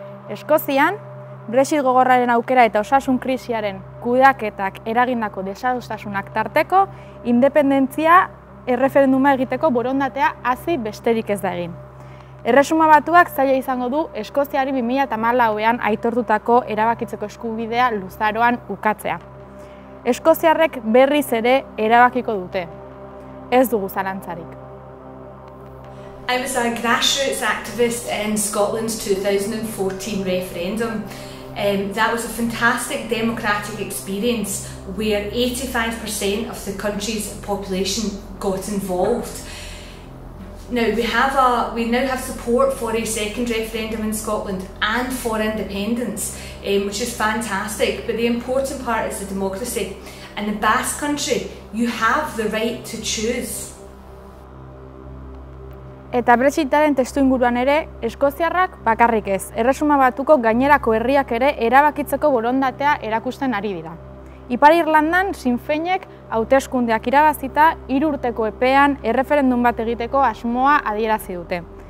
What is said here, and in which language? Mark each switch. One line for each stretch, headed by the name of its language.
Basque: Eskozian, Brexit gogorraren aukera eta osasun krisiaren kudeaketak eragindako desadostasunak tarteko, independentzia erreferenduma egiteko borondatea hasi besterik ez da egin. Erresuma Batuak zaila izango du Eskoziari 2014ean aitortutako erabakitzeko eskubidea luzaroan ukatzea. Eskoziarrek berriz ere erabakiko dute. Ez dugu zalantzarik.
English: I was a grassroots activist in Scotland's 2014 referendum. That was a fantastic democratic experience where 85% of the country's population got involved. Now we now have support for a second referendum in Scotland and for independence, which is fantastic. But the important part is the democracy. In the Basque Country, you have the right to choose.
Basque: Eta Brexitaren testu inguruan ere, eskoziarrak bakarrik ez, Erresuma Batuko gainerako herriak ere erabakitzeko borondatea erakusten ari dira. Ipar Irlandan Sinn Féinek hauteskundeak irabazita 3 urteko epean erreferendum bat egiteko asmoa adierazi dute.